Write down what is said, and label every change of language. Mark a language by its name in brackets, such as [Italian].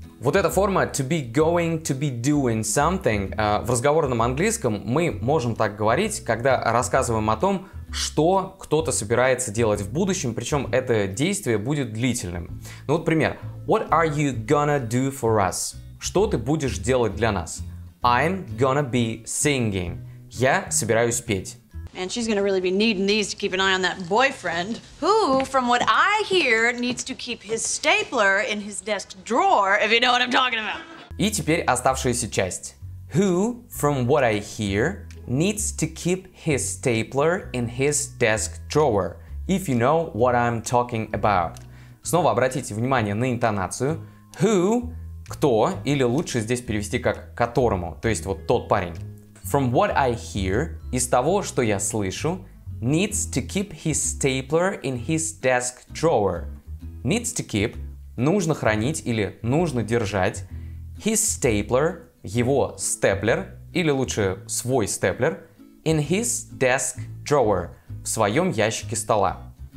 [Russian] Вот эта форма [English] to be going, to be doing something, [Russian] в разговорном английском мы можем так говорить, когда рассказываем о том, что кто-то собирается делать в будущем, причем это действие будет длительным. Ну вот пример, [English] what are you gonna do for us? [Russian] Что ты будешь делать для нас? [English] I'm gonna be singing. [Russian] Я собираюсь петь. [English] And she's gonna really be needing these to keep an eye on that boyfriend, who, from what I hear, needs to keep his stapler in his desk drawer, if you know what I'm talking about. [Russian] И теперь оставшаяся часть. [English] Who, from what I hear, needs to keep his stapler in his desk drawer, if you know what I'm talking about. [Russian] Снова обратите внимание на интонацию. Who, кто, или лучше здесь перевести как которому, то есть вот тот парень. [English] From what I hear, [Russian] из того, что я слышу, [English] needs to keep his stapler in his desk drawer. Needs to keep, [Russian] нужно хранить или нужно держать, [English] his stapler, [Russian] его степлер, или лучше свой степлер, [English] in his desk drawer, [Russian] в своем ящике стола.